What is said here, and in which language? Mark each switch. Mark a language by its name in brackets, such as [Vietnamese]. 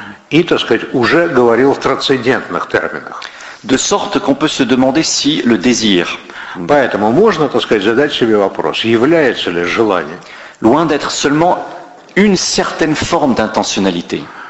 [Russian] И, так сказать, уже говорил в трансцендентных терминах. [French] De sorte qu'on peut se demander si le désir. [Russian] Поэтому можно, так сказать, задать себе вопрос, является ли желание. [French] Loin d'être seulement une certaine forme d'intentionnalité.